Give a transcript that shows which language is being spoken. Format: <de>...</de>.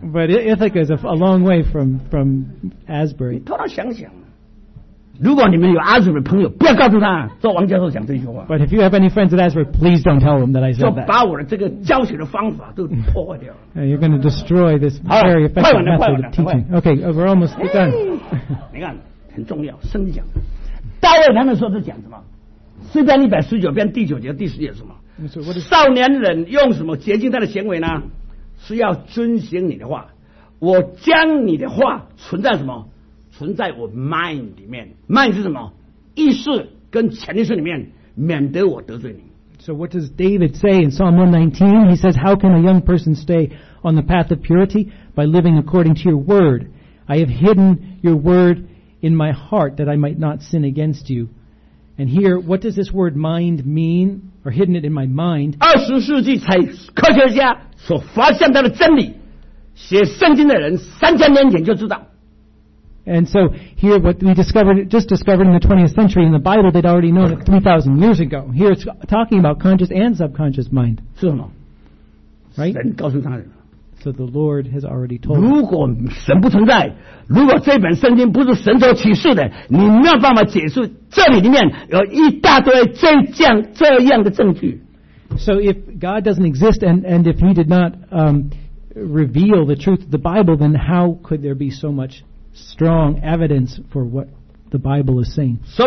<en>But Ithaca is a long way from Asbury.</en> <zh>你突然想想。如果你们有阿祖的朋友，不要告诉他说王教授讲这句话。</zh> <en>But if you have any friends at Asbury, please don't tell them that I said that.</en> <zh>就把我的这个教学的方法都破坏掉。</zh> <en>And you're going to destroy this very effective method of teaching. Okay, we're almost done.</en> <zh>你看，很重要，圣经讲。大卫他们说是讲什么？诗篇119:第九节、第十节什么？少年人用什么洁净他的行为呢？是要遵行你的话。我将你的话存在什么？存在我 mind 里面 ，mind 是什么？意识跟潜意识里面，免得我得罪你。</zh> <en>So what does David say in Psalm 119? He says, "How can a young person stay on the path of purity by living according to your word? I have hidden your word in my heart that I might not sin against you." And here, what does this word mind mean? Or hidden it in my mind?</en> <zh>二十世纪才科学家所发现到的真理，写圣经的人3000年前就知道。</zh> <en>And so here what we discovered in the 20th century in the Bible, they'd already known it 3,000 years ago. Here it's talking about conscious and subconscious mind. Right? So the Lord has already told</en> <zh>如果神不存在, 如果这本圣经不是神所启示的, 你没有办法解释这里面有一大堆这样的证据。</zh> <en>So if God doesn't exist and if he did not reveal the truth of the Bible, then how could there be so much strong evidence for what the Bible is saying?</en>